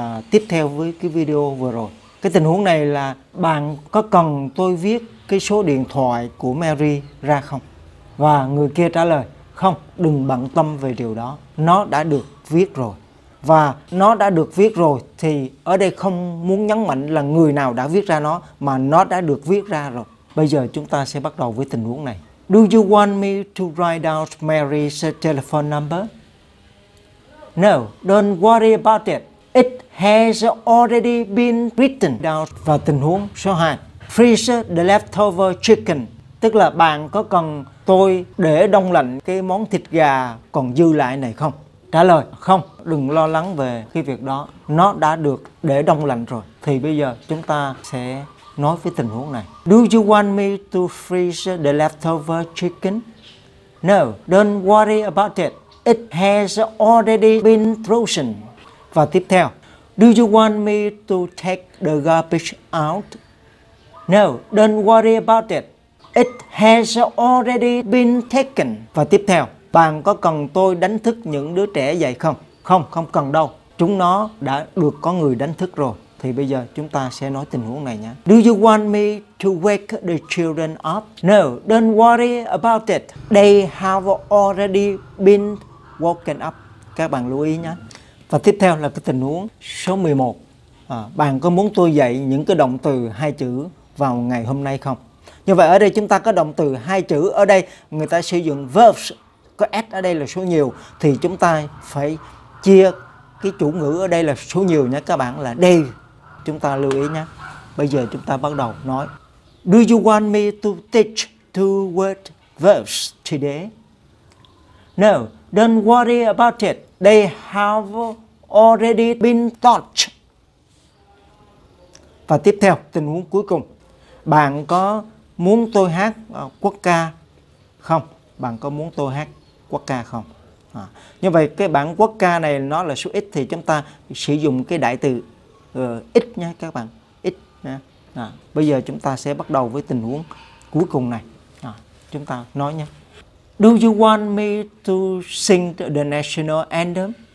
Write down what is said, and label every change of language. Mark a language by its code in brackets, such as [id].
[vi] Tiếp theo với cái video vừa rồi. Cái tình huống này là bạn có cần tôi viết cái số điện thoại của Mary ra không? Và người kia trả lời, không, đừng bận tâm về điều đó. Nó đã được viết rồi. Và nó đã được viết rồi thì ở đây không muốn nhấn mạnh là người nào đã viết ra nó, mà nó đã được viết ra rồi. Bây giờ chúng ta sẽ bắt đầu với tình huống này. [en] Do you want me to write out Mary's telephone number? No, don't worry about it. It has already been written down. [vi] Và tình huống số 2. [en] Freeze the leftover chicken. [vi] Tức là bạn có cần tôi để đông lạnh cái món thịt gà còn dư lại này không? Trả lời, không, đừng lo lắng về cái việc đó. Nó đã được để đông lạnh rồi. Thì bây giờ chúng ta sẽ nói với tình huống này. [en] Do you want me to freeze the leftover chicken? No, don't worry about it. It has already been frozen. [vi] Và tiếp theo. [en] Do you want me to take the garbage out? No, don't worry about it. It has already been taken. [vi] Và tiếp theo. Bạn có cần tôi đánh thức những đứa trẻ dậy không? Không, không cần đâu. Chúng nó đã được có người đánh thức rồi. Thì bây giờ chúng ta sẽ nói tình huống này nhé. [en] Do you want me to wake the children up? No, don't worry about it. They have already been woken up. [vi] Các bạn lưu ý nhé. Và tiếp theo là cái tình huống số 11. Bạn có muốn tôi dạy những cái động từ hai chữ vào ngày hôm nay không? Như vậy ở đây chúng ta có động từ hai chữ. Ở đây người ta sử dụng verbs. Có S ở đây là số nhiều. Thì chúng ta phải chia cái chủ ngữ ở đây là số nhiều nhé các bạn, là day. Chúng ta lưu ý nhé. Bây giờ chúng ta bắt đầu nói. [en] Do you want me to teach two word verbs today? No, don't worry about it. They have already been taught. [vi] Và tiếp theo, tình huống cuối cùng. Bạn có muốn tôi hát quốc ca không? Bạn có muốn tôi hát quốc ca không? Như vậy cái bản quốc ca này nó là số ít thì chúng ta sử dụng cái đại từ ít nha các bạn. Ít nha. Bây giờ chúng ta sẽ bắt đầu với tình huống cuối cùng này. Chúng ta nói nha. [en] Do you want me to sing the national anthem?